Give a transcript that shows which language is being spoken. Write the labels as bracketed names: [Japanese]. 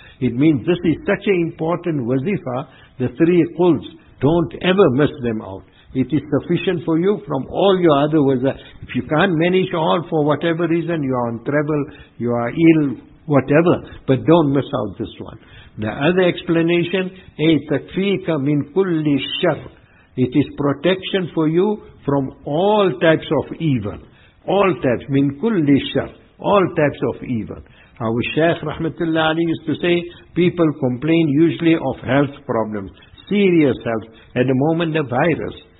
[English] It means this is such an important wazifa, the 3 quls, don't ever miss them out. It is sufficient for you from all your other wazifa. If you can't manage all for whatever reason, you are on travel, you are ill, whatever, but don't miss out this one. The other explanation, [Arabic] تَكْفِيكَ مِنْ كُلِّ الشَّرِّ. [English] It is protection for you from all types of evil. All types, [Arabic] مِنْ كُلِّ الشَّرِّ, [English] all types of evil. Our Shaykh Rahmatullah Ali used to say, people complain usually of health problems, serious health, at the moment the virus.